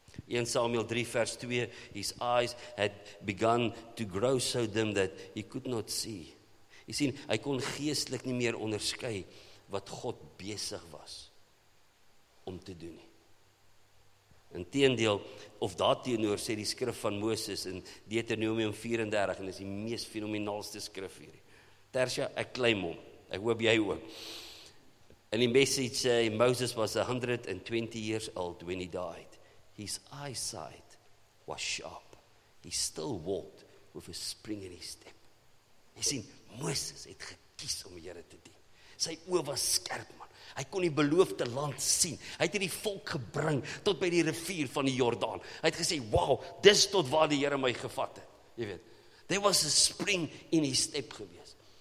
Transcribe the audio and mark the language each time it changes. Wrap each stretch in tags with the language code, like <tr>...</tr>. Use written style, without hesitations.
<en>1 Samuel 3 vers 2, his eyes had begun to grow so dim that he could not see.</en> <af>Jy sien, hy kon geestelik nie meer onderskei wat God besig was om te doen nie. Inteendeel, of daarteenoor sê die skrif van Moses in Deuteronomium 34, en is die mees fenomenaalste skrif hier. Tersia, ek klaim hom, ek hoop jy ook. In die Message sê,</af> <en>Moses was 120 years old when he died. His eyesight was sharp. He still walked with a spring in his step.</en> <af>Jy sien, Moses het gekies om die Here te dien. Sy oë was skerp, man. Hy kon die beloofde land sien. Hy het hierdie volk gebring tot by die rivier van die Jordaan. Hy het gesê, wow, dis tot waar die Here my gevat het. Jy weet,</af> <en>there was a spring in his step gewees.</en>